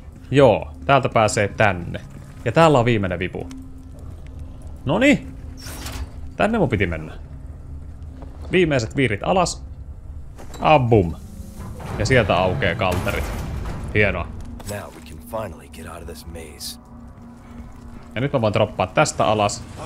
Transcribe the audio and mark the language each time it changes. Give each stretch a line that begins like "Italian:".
Finnish: Joo, täältä pääsee tänne. Ja täällä on viimeinen vipu. Noni, tänne mun piti mennä. Viimeiset viirit alas. Abum. Ja sieltä aukeaa kalterit. Hienoa.
English: Now we can finally get out of this maze.
Finnish: Ja nyt mä voin droppaa tästä alas.